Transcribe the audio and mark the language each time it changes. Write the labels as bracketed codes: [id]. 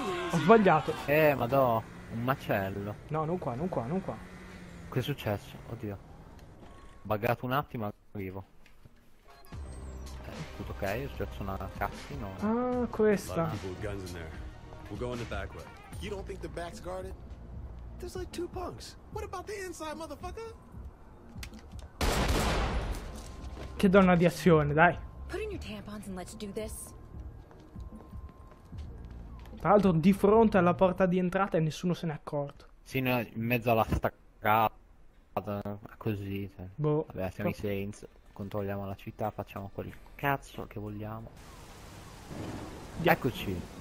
[it] Ho sbagliato. Madò, un macello. No, non qua. Che è successo? Oddio. Buggato un attimo, arrivo. Tutto ok, è successo una cassino. Ah, questa. [en] We're going the back way. You don't think the back's guarded? There's like two punks. What about the inside, motherfucker? [it] Che donna di azione, dai. [en] Put in your tampons and let's do this. [it] Tra l'altro di fronte alla porta di entrata e nessuno se n'è accorto. Sì, in mezzo alla staccata, così. Cioè. Boh. Vabbè, siamo i Saints, controlliamo la città, facciamo quel cazzo che vogliamo. Eccoci.